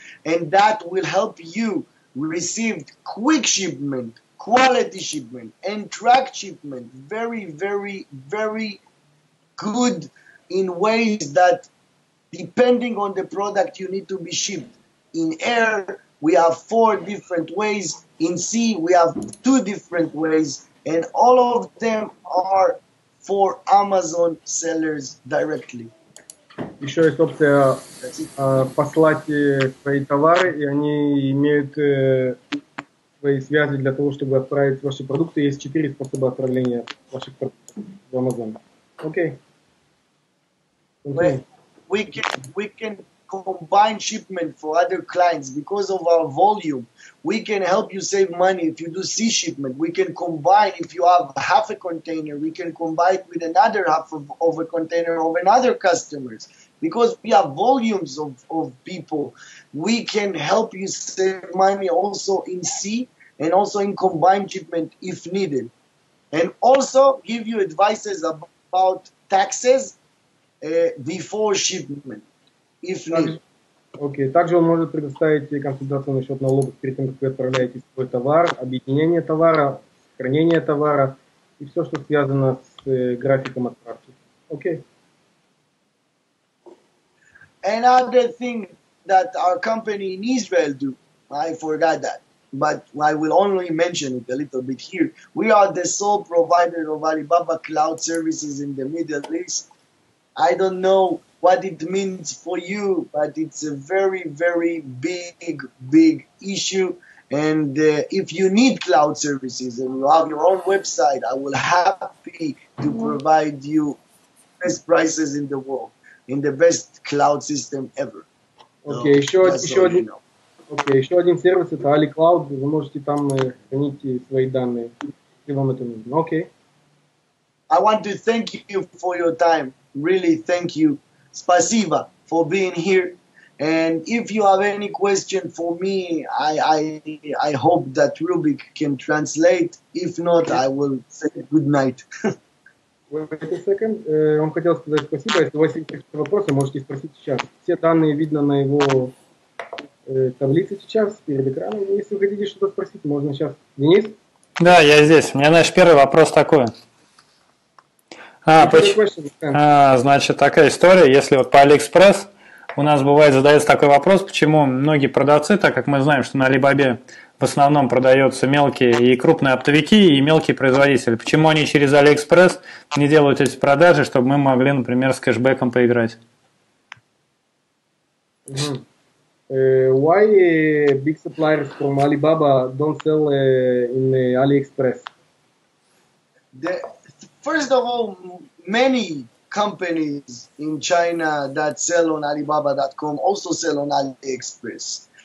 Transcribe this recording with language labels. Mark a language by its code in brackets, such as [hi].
[en] And that will help you receive quick shipment, quality shipment, and track shipment very, very, very good in ways that, depending on the product, you need to be shipped. In air, we have four different ways. In sea, we have two different ways. And all of them are for Amazon sellers directly. [ru] Еще есть опция послать свои товары, и они имеют свои связи для того, чтобы отправить ваши продукты. Есть четыре способа отправления ваших продуктов в Amazon. Окей. [en] We can combine shipment for other clients because of our volume. We can help you save money if you do sea shipment. We can combine if you have half a container. We can combine with another half of a container of another customers. Because we have volumes of people, we can help you save money also in sea and also in combined shipment if needed. And also give you advices about taxes before shipment. [ru] Окей. Также он может предоставить консультацию насчет налогов перед тем, как вы отправляете свой товар, объединение товара, хранение товара и все, что связано с графиком отправки. Окей. [en] Another thing that our company in Israel do, I forgot that, but I will only mention it a little bit here. We are the sole provider of Alibaba cloud services in the Middle East. I don't know what it means for you, but it's a very, very big, big issue. And if you need cloud services and you have your own website, I will happy to provide you best prices in the world, in the best cloud system ever. [ru] Okay, еще один сервис, это AliCloud, вы можете там хранить свои данные, если вам это нужно. [en] Okay. I want to thank you for your time. Really, thank you. [ru] Спасибо [en] for being here. And if you have any question for me, I hope that Rubik can translate. If not, I will say good night. Wait a second. [ru] Он хотел сказать спасибо. Если у вас есть какие-то вопросы, можете спросить сейчас. Все данные видно на его таблице сейчас перед экраном. Если вы хотите что-то спросить, можно сейчас. Денис? Да, я здесь. У меня, знаешь, первый вопрос такой. Значит, такая история, если вот по Алиэкспресс у нас бывает задается такой вопрос, почему многие продавцы, так как мы знаем, что на Алибабе в основном продаются мелкие и крупные оптовики и мелкие производители, почему они через Алиэкспресс не делают эти продажи, чтобы мы могли, например, с кэшбэком поиграть? [en] Why big suppliers from Alibaba don't sell in Alibaba? First of all, many companies in China that sell on Alibaba.com also sell on AliExpress.